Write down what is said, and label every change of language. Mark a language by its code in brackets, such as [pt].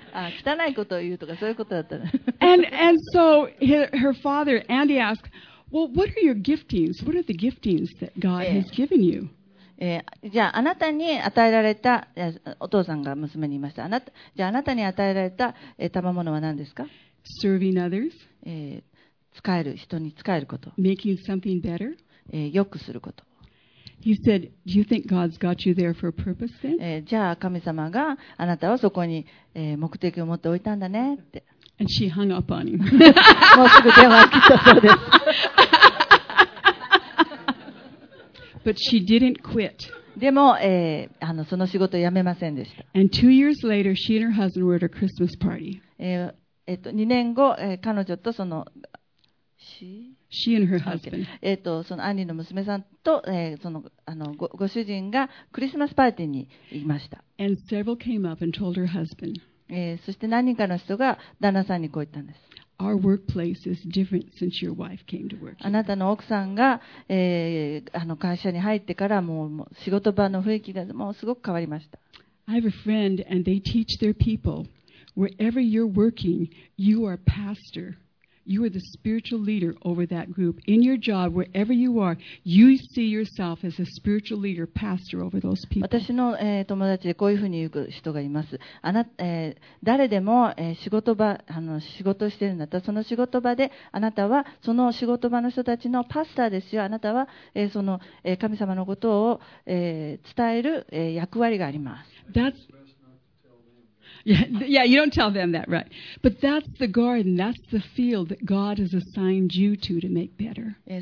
[ja] 汚いことを言うとかそういうことだったら。 [en] and so her father Andy asked, well, what are your giftings? What are the giftings that God has given you? [ja] じゃああなたに与えられた、お父さんが娘に言いました。じゃああなたに与えられた、賜物は何ですか？ [en] Serving others. [ja] 使える、人に使えること。 [en] Making something better. [ja] 良くすること。 [en] He said, "Do you think God's got you there for a purpose then?" [ja] じゃあ神様があなたはそこに、目的を持っておいたんだねって。 [en] And she hung up on him. [ja] もうすぐ電話切ったそうです。 [en] But she didn't quit. [ja] でも、その仕事を辞めませんでした。 [en] And 2 years later, she and her husband were at a Christmas party. [ja] 2年後、彼女とその [en] she and her husband. [ja] その兄の娘さんと、ご主人がクリスマスパーティーに行きました。 [en] And several came up and told her husband. [ja] そして何人かの人が旦那さんにこう言ったんです。 [en] Our workplace is different since your wife came to work. [ja] あなたの奥さんが、会社に入ってからもう仕事場の雰囲気がもうすごく変わりました。 [en] I have a friend and they teach their people, wherever you're working, you are pastor. You are the spiritual leader over that group. In your job, wherever you are, you see yourself as a spiritual leader, pastor over those people. [ja] 私の、友達でこういうふうに言う人がいます。誰でも、仕事場、仕事してるんだったら、その仕事場で、あなたはその仕事場の人たちのパスターですよ。あなたは、その、神様のことを、伝える、役割があります。 [en] That's... Yeah, you don't tell them that, right? But that's the garden, that's the field that God has assigned you to make better.